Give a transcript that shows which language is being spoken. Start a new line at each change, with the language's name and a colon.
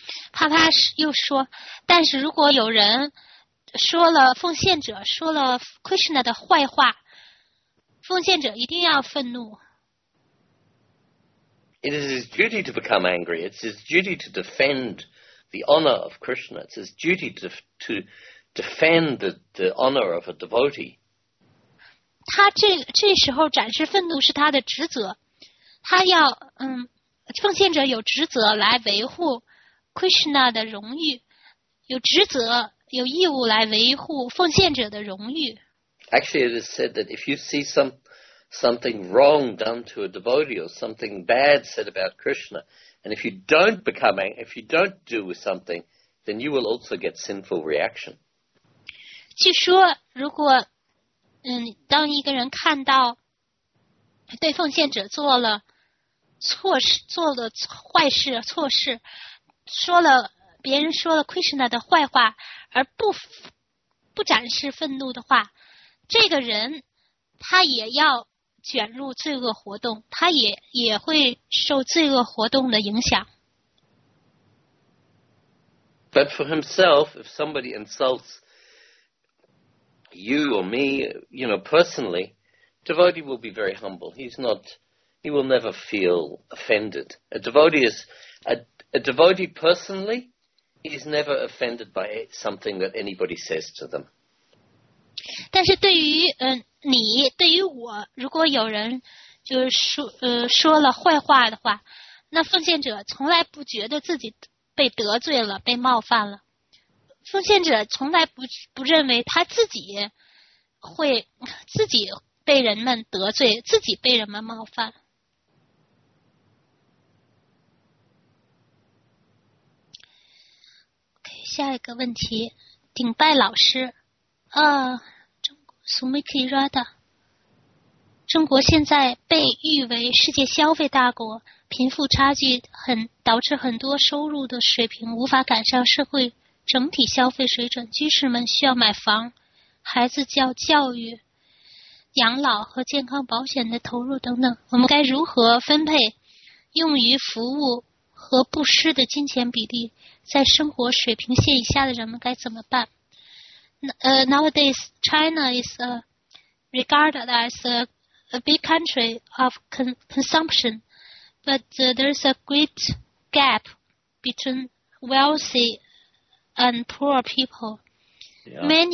Chinese: 帕帕又说，但是如果有人说了奉献者说了 Krishna 的坏话，奉献者一定要愤怒。
English: It is his duty to become angry. It's his duty to defend the honor of Krishna. It's his duty to defend the honor of a devotee.
Chinese: 他这时候展示愤怒是他的职责。他要奉献者有职责来维护 Krishna 的荣誉，有职责。有义务来维护奉献者的荣誉。
English: Actually, it is said that if you see something wrong done to a devotee or something bad said about Krishna, and if you don't do something, then you will also get sinful reaction.
Chinese: 据说，如果当一个人看到对奉献者做了坏事，说了。别人说了 Krishna 的坏话，而不展示愤怒的话，这个人他也要卷入罪恶活动，他也会受罪恶活动的影响。
English: But for himself, if somebody insults you or me, you know, personally, devotee will be very humble. He will never feel offended. A devotee personally. He's never offended by something that anybody says to them.
Chinese: 但是对于你对于我，如果有人就是说了坏话的话，那奉献者从来不觉得自己被得罪了，被冒犯了。奉献者从来不认为他自己被人们得罪，自己被人们冒犯。下一个问题，顶拜老师，Sumiki Rada， 中国现在被誉为世界消费大国，贫富差距很导致很多收入的水平无法赶上社会整体消费水准，居士们需要买房、孩子教育、养老和健康保险的投入等等，我们该如何分配用于服务和布施的金钱比例？在生活水平线以下的人们该怎么办？
English: Nowadays, China is regarded as a big country of consumption, but there is a great gap between wealthy and poor people. Yeah.